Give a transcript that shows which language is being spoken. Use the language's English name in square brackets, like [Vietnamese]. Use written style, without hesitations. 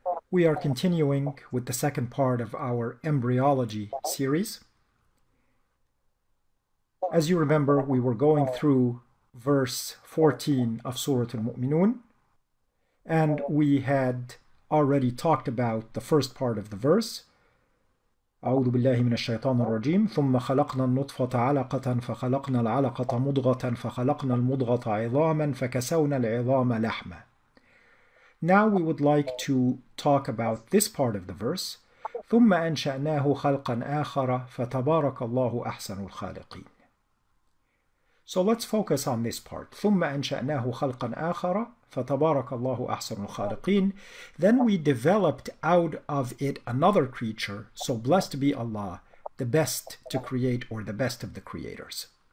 [English] We are continuing with the second part of our embryology series. As you remember, we were going through verse 14 of Surah Al-Mu'minun, and we had already talked about the first part of the verse. [Arabic] أعوذ بالله من الشيطان الرجيم ثم خلقنا النطفة علقة فخلقنا العلقة مضغة فخلقنا المضغة عظاما فكسونا العظام لحما. [English] Now we would like to talk about this part of the verse. [Arabic] ثم أنشأناه خلقا آخر فتبارك الله أحسن الخالقين. [English] So let's focus on this part. [Arabic] ثُمَّ أَنْشَأْنَاهُ خَلْقًا آخَرَ فَتَبَارَكَ اللَّهُ أَحْسَنُ الْخَالِقِينَ. [English] Then we developed out of it another creature, so blessed be Allah, the best to create or the best of the creators.